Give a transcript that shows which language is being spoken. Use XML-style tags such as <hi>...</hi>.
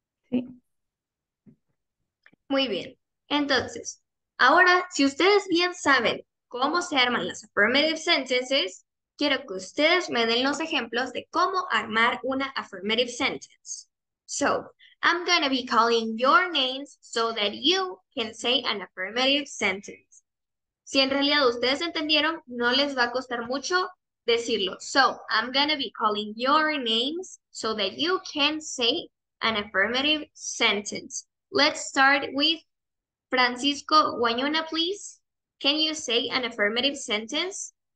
<es>Sí. Muy bien. Entonces, ahora, si ustedes bien saben cómo se arman las affirmative sentences, quiero que ustedes me den los ejemplos de cómo armar una affirmative sentence.</es> <en>So, I'm going to be calling your names so that you can say an affirmative sentence.</en> <es>Si en realidad ustedes entendieron, no les va a costar mucho decirlo.</es> <en>So, I'm going to be calling your names so that you can say an affirmative sentence. Let's start with Francisco Guañona, please. Can you say an affirmative sentence?</en>